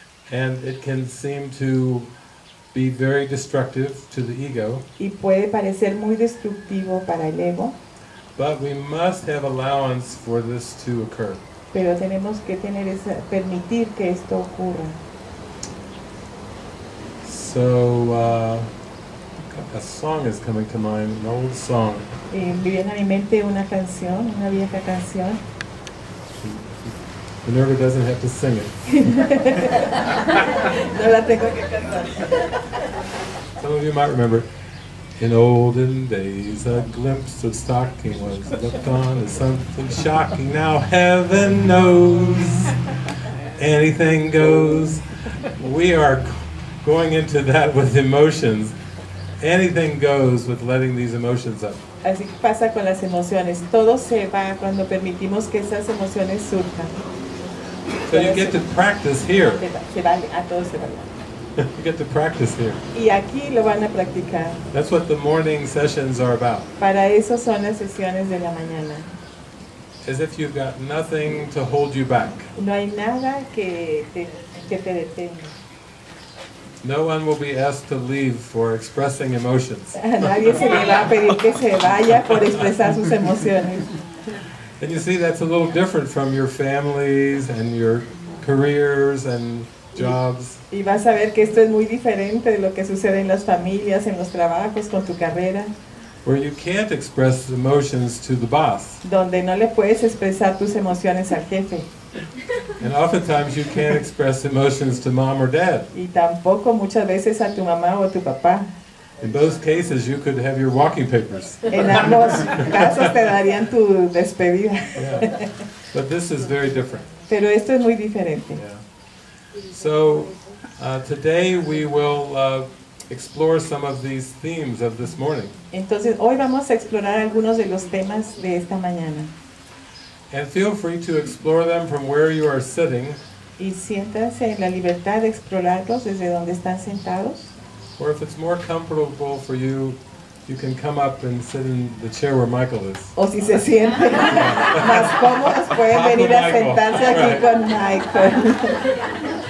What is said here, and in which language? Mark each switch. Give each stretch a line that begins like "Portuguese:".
English: And it can seem to be very destructive to the ego.
Spanish: Y puede parecer muy destructivo para el ego.
English: But we must have allowance for this to occur.
Spanish: Pero tenemos que tener esa, permitir que esto ocurra.
English: So a song is coming to mind, an old song.
Spanish: Viene a mi mente una canción, una vieja canción.
English: Minerva doesn't have to sing it.
Spanish: No la tengo que cantar.
English: Some of you might remember, in olden days, a glimpse of stocking was looked on as something shocking. Now heaven knows, anything goes. We are going into that with emotions. Anything goes with letting these emotions up.
Spanish: Así pasa con las emociones. Todo se va cuando permitimos que esas emociones surjan.
English: So you get to practice here.
Spanish: Se vale, a todo se vale.
English: You get to practice here.
Spanish: Y aquí lo van a practicar.
English: That's what the morning sessions are about.
Spanish: Para eso son las sesiones de la mañana.
English: As if you've got nothing to hold you back.
Spanish: No hay nada que te detenga.
English: No one will be asked to leave for expressing emotions.
Spanish: Nadie se le va a pedir que se vaya por expresar sus emociones.
English: And you see, that's a little different from your families and your careers and jobs.
Spanish: Y vas a ver que esto es muy diferente de lo que sucede en las familias, en los trabajos, con tu carrera.
English: Where you can't express emotions to the boss.
Spanish: Donde no le puedes expresar tus emociones al jefe.
English: And oftentimes you can't express emotions to mom or dad.
Spanish: Y tampoco muchas veces a tu mamá o tu papá.
English: In both cases, you could have your walking papers.
Spanish: En ambos casos te darían tu despedida.
English: Yeah. But this is very different.
Spanish: Pero esto es muy diferente. Yeah.
English: So, today we will explore some of these themes of this morning.
Spanish: Entonces, hoy vamos a explorar algunos de los temas de esta mañana.
English: And feel free to explore them from where you are sitting.
Spanish: Y siéntanse en la libertad de explorarlos desde donde están sentados.
English: Or if it's more comfortable for you, you can come up and sit in the chair where Michael is.
Spanish: O si se siente más cómodo, pueden venir a sentarse aquí con Michael.